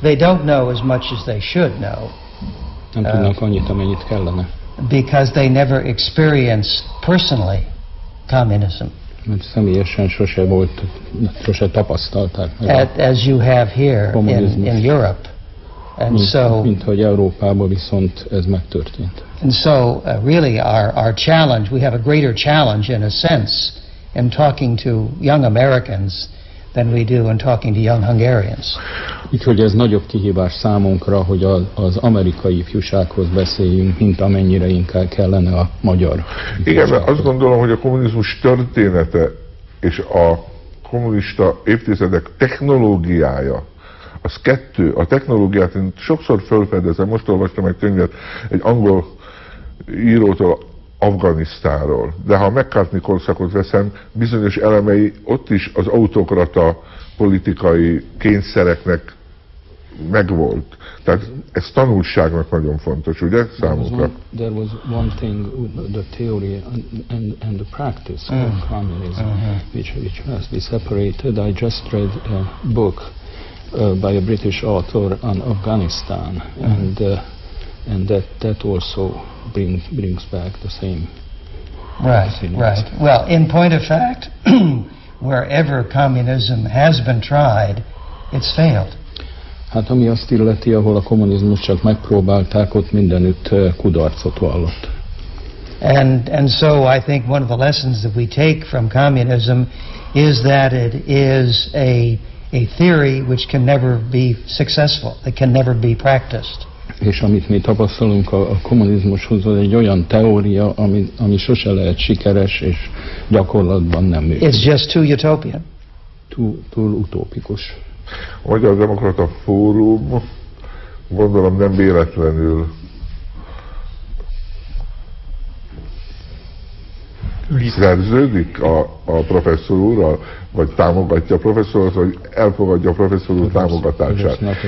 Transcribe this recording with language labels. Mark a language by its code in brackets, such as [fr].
[en] They don't know as much as they should know. [hu] Nem tudnak annyit, amennyit kellene. [en] Because they never experience personally communism. [hu] Mert személyesen sose volt, sose tapasztaltál. [en] As you have here in Europe. And so, [hu] mint hogy Európában viszont ez megtörtént. [en] And so, really, our challenge, we have a greater challenge, in a sense, in talking to young Americans than we do in talking to young Hungarians. [hu] Itt, hogy ez nagyobb kihívás számunkra, hogy az amerikai ifjúsághoz beszéljünk, mint amennyire inkább kellene a magyar ifjúsághoz. Igen, mert azt gondolom, hogy a kommunizmus története és a kommunista évtizedek technológiája, az kettő, a technológiát én sokszor felfedezem, most olvastam egy könyvet egy angol írótól Afganisztánról, de ha a McCarthy korszakot veszem, bizonyos elemei ott is az autokrata politikai kényszereknek megvolt. Tehát ez tanulságnak nagyon fontos, ugye, számukra? [en] There was one thing, the theory and the practice of communism, which must be separated. I just read a book by a British author on Afghanistan, and that also brings back the same. Right, right. Well, in point of fact, wherever communism has been tried, it's failed. [hu] Hát ami azt illeti, ahol a kommunizmus csak megpróbálták, ott mindenütt kudarcot vallott. [en] And so I think one of the lessons that we take from communism is that it is a theory which can never be successful, that can never be practiced. [hu] És amit mi tapasztalunk a kommunizmushoz, az egy olyan teória, ami sose lehet sikeres, és gyakorlatban nem működik. [en] It's just too utopian. [hu] Túl utópikus. A Magyar Demokrata Fórum, gondolom nem véletlenül, szerződik a professzor úrral, vagy támogatja a professzorot, vagy elfogadja a professzor úr támogatását.